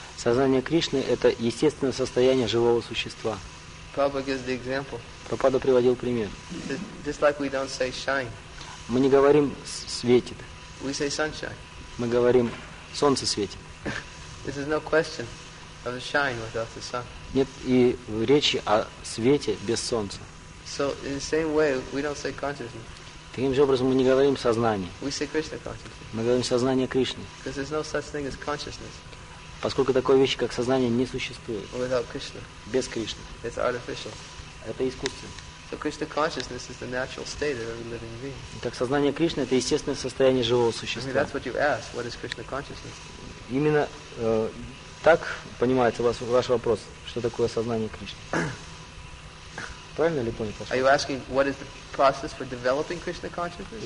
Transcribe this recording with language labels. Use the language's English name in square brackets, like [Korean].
[Russian] Сознание Кришны – это естественное состояние живого существа. [English] Prabhupada gives the example. [Russian] Прабхупада приводил пример. [English] Just like we don't say shine. [Russian] Мы не говорим светит. [English] We say sunshine. [Russian] Мы говорим солнце светит. [English] This is no question of a shine without the sun. [Russian] Нет и речи о свете без солнца. [English] So in the same way, we don't say consciousness. [Russian] Таким же образом мы не говорим сознание. [English] We say Krishna consciousness. [Russian] Мы говорим сознание Кришны. [English] Because there's no such thing as consciousness. [Russian] Поскольку такой вещи, как сознание, не существует. [English] Without Krishna. [Russian] Без Кришны. [English] It's artificial. [Russian] Это искусственно. [English] So Krishna consciousness is the natural state of every living being. [Russian] Так сознание Кришны – это естественное состояние живого существа. [English] I mean, that's what you ask. What is Krishna consciousness? [Russian] Именно так понимается ваш вопрос, что такое сознание Кришны. Правильно ли понял? [English] Are you asking what is the process for developing Krishna consciousness?